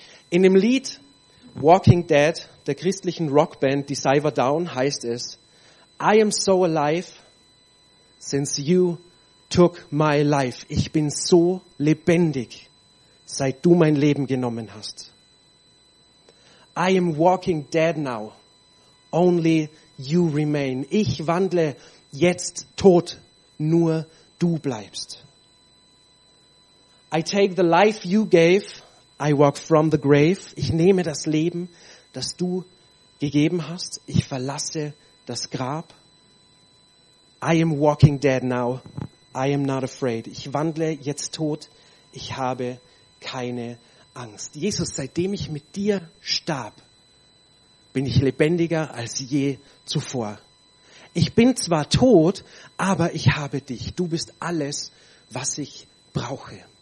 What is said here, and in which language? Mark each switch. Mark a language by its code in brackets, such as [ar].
[de] In dem Lied Walking Dead der christlichen Rockband Deceiver Down heißt es: [en] I am so alive since you took my life. [de] Ich bin so lebendig, seit du mein Leben genommen hast. [en] I am walking dead now, only you remain. [de] Ich wandle jetzt tot, nur du bleibst. [en] I take the life you gave, I walk from the grave. [de] Ich nehme das Leben, das du gegeben hast. Ich verlasse das Grab. [en] I am walking dead now, I am not afraid. [de] Ich wandle jetzt tot, ich habe keine Angst. Jesus, seitdem ich mit dir starb, bin ich lebendiger als je zuvor. Ich bin zwar tot, aber ich habe dich. Du bist alles, was ich brauche.